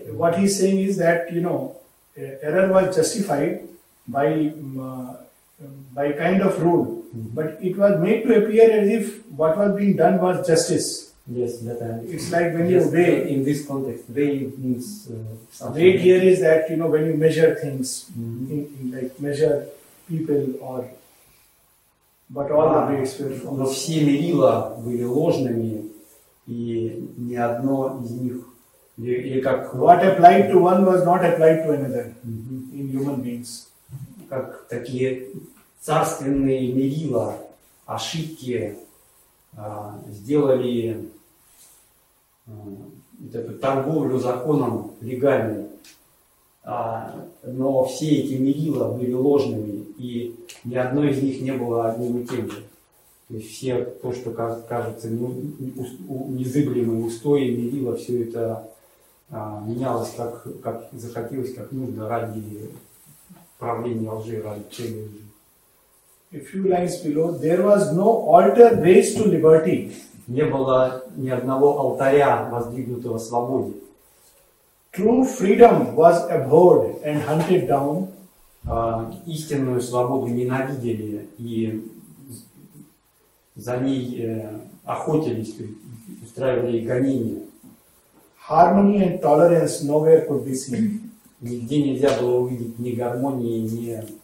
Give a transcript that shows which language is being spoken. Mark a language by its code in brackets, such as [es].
[en] What he's saying is that, you know, error was justified by kind of rule, but it was made to appear as if what was being done was justice. Yes, that I understand. It's like when you weigh in this context. Weigh means weight here is that, you know, when you measure things, in like measure people or. But all the weights were false. [ru] Но все мерила были ложными, и ни одно из них. И как [en] what applied to one was not applied to another in human beings. [ru] Как такие царственные мерила, ошибки сделали эту торговлю законом легальной. Но все эти мерила были ложными, и ни одно из них не было одним и тем же. То есть все то, что кажется незыблемым устоем, мерила, все это менялось, как захотелось, как нужно, ради правления лжи, ради цели лжи. [en] A few lines below, there was no altar raised to liberty. [ru] Не было ни одного алтаря, воздвигнутого свободе. [en] True freedom was abhorred and hunted down. [ru] Истинную свободу ненавидели и за ней охотились, устраивали гонения. [en] Harmony and tolerance nowhere could be seen. [ru] Нигде нельзя было увидеть ни гармонии, ни